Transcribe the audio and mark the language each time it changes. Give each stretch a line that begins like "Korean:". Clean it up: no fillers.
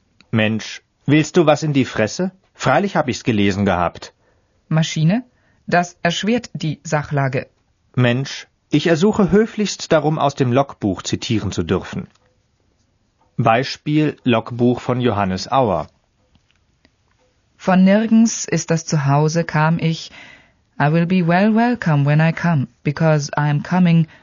German: Mensch, willst du was in die Fresse? Freilich habe ich's gelesen gehabt. Maschine, das erschwert die Sachlage. Mensch, ich ersuche höflichst darum, aus dem Logbuch zitieren zu dürfen. Beispiel Logbuch von Johannes Auer. Von nirgends ist das Zuhause kam ich.
English: I will be well welcome when I come, because I am coming.